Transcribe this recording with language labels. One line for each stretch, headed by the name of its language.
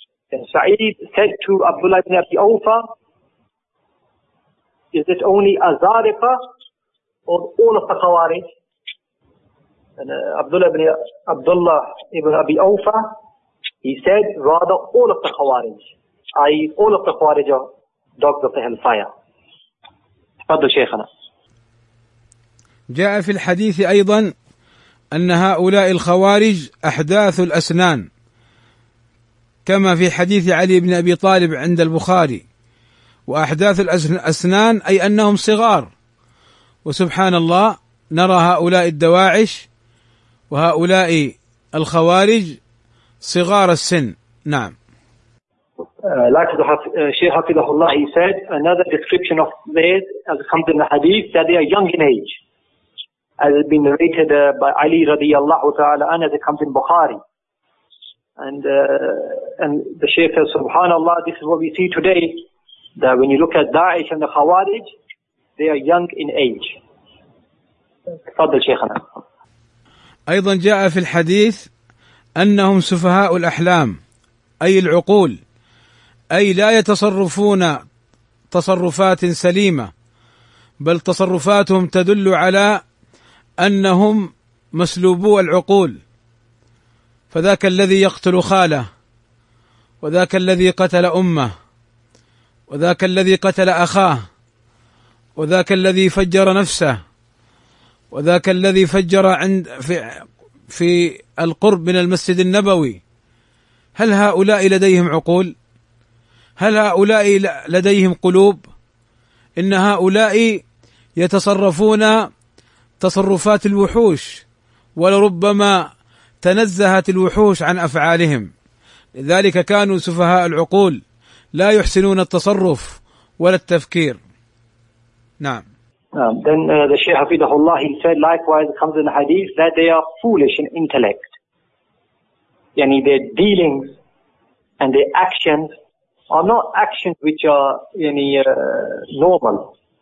English: Sa'id said to Abdullah ibn Abi Awfa, is it only Azarifa or all of the Khawarij? And Abdullah ibn Abi Awfa, he said rather all of the Khawarij, i.e. all of the Khawarij are dogs of the hellfire.
Arabic: Fadda Shaykhana. جاء في الحديث أيضا أن هؤلاء الخوارج أحداث الأسنان كما في حديث علي بن أبي طالب عند البخاري، وأحداث الأسنان أي أنهم صغار. وسبحان الله، نرى هؤلاء الدواعش وهؤلاء الخوارج صغار السن. نعم.
English: Like Sheikh Hafidahullah, he said another description of this as comes in the hadith that they are young in age. As has been narrated by Ali radiyallahu ta'ala and as it comes in Bukhari. And the Shaykh says, subhanAllah, this is what we see today, that when you look at Daesh and the Khawarij, they are young in age.
Arabic: Fadal Shaykhana. أيضا جاء في الحديث أنهم سفهاء الأحلام أي العقول، أي لا يتصرفون تصرفات سليمة، بل تصرفاتهم تدل على أنهم مسلوبو العقول. فذاك الذي يقتل خاله، وذاك الذي قتل أمه، وذاك الذي قتل أخاه، وذاك الذي فجر نفسه، وذاك الذي فجر عند في القرب من المسجد النبوي، هل هؤلاء لديهم عقول؟ هل هؤلاء لديهم قلوب؟ إن هؤلاء يتصرفون تصرفات الوحوش، ولربما تنزهت الوحوش عن أفعالهم، لذلك كانوا سفهاء العقول لا يحسنون التصرف ولا التفكير. نعم.
English: Then the Shaykh Hafidahullah, he said likewise comes in the hadith that they are foolish in intellect. Yani their dealings and their actions are not actions which are normal.